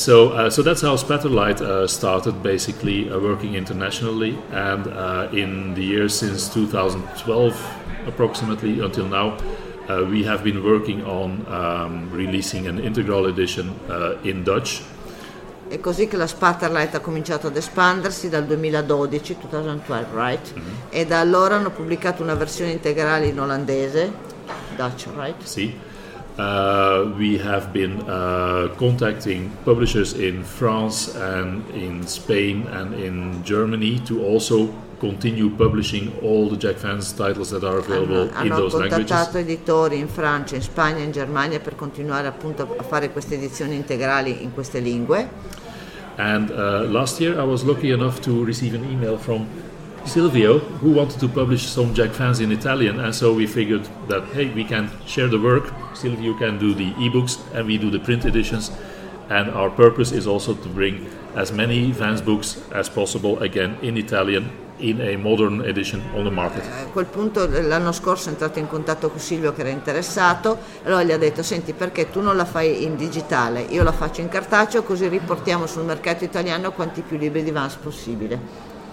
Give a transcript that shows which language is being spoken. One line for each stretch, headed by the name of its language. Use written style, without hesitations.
English: So that's how Spatterlight started, basically working internationally. And in the years since 2012, approximately, until now, we have been working on releasing an integral edition in Dutch.
Italian: È così che la Spatterlight ha cominciato ad espandersi dal 2012,
English: right? Mm-hmm.
Italian: E da allora hanno pubblicato una versione integrale in olandese,
English: Dutch, right?
Italian: Sì.
English: We have been contacting publishers in France and in Spain and in Germany to also continue publishing all the Jack Vance titles that are available in those languages.
Italian: Hanno contattato editori in Francia, in Spagna, in Germania per continuare appunto a fare queste edizioni integrali in queste lingue.
English: And last year I was lucky enough to receive an email from Silvio, who wanted to publish some Jack Vance in Italian, and so we figured that, hey, we can share the work, Silvio can do the ebooks, and we do the print editions, and our purpose is also to bring as many Vance books as possible, again, in Italian, in a modern edition on the market.
Italian: A quel punto, l'anno scorso, è entrato in contatto con Silvio, che era interessato, allora gli ha detto, senti, perché tu non la fai in digitale, io la faccio in cartaceo, così riportiamo sul mercato italiano quanti più libri di Vance possibile.